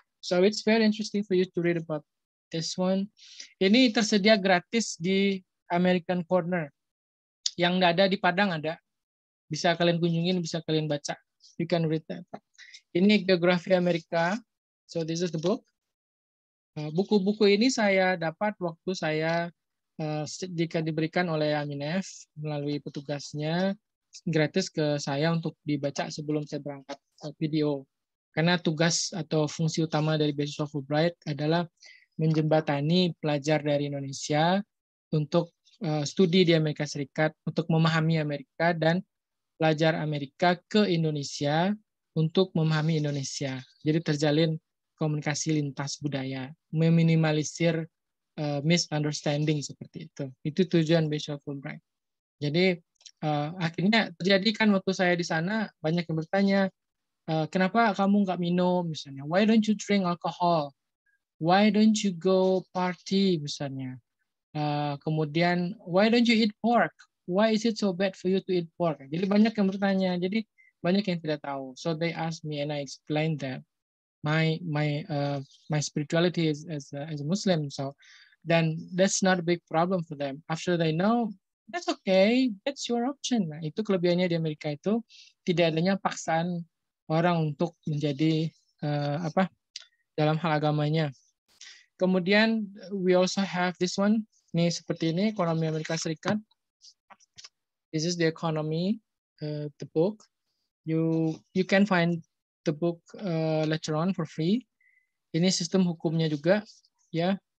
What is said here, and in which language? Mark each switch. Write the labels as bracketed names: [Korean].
[English] So it's very interesting for you to read about this one. [Indonesian] Ini tersedia gratis di American Corner. Yang nggak ada di Padang ada. Bisa kalian kunjungin, bisa kalian baca. [English] You can read that. [Indonesian] Ini geografi Amerika. [English] So this is the book. [Indonesian] Buku-buku ini saya dapat waktu saya jika diberikan oleh Aminef melalui petugasnya gratis ke saya untuk dibaca sebelum saya berangkat video. Karena tugas atau fungsi utama dari beasiswa Fulbright adalah menjembatani pelajar dari Indonesia untuk studi di Amerika Serikat, untuk memahami Amerika, dan pelajar Amerika ke Indonesia untuk memahami Indonesia. Jadi terjalin komunikasi lintas budaya, meminimalisir misunderstanding seperti itu. Itu tujuan beasiswa Fulbright. Jadi akhirnya terjadi kan waktu saya di sana, banyak yang bertanya, kenapa kamu nggak minum misalnya? [English] Why don't you drink alcohol? Why don't you go party [Indonesian] misalnya? Kemudian, [English] why don't you eat pork? Why is it so bad for you to eat pork? [Indonesian] Jadi banyak yang bertanya, jadi banyak yang tidak tahu. [English] So they asked me and I explained that my spirituality is as a Muslim. So then that's not a big problem for them. After they know, that's okay, that's your option. [Indonesian] Nah, itu kelebihannya di Amerika itu, tidak adanya paksaan orang untuk menjadi apa dalam hal agamanya. Kemudian [English] we also have this one. [Indonesian] Ini seperti ini ekonomi Amerika Serikat. [English] This is the economy, the book. You can find the book later on for free. [Indonesian] Ini sistem hukumnya juga, ya.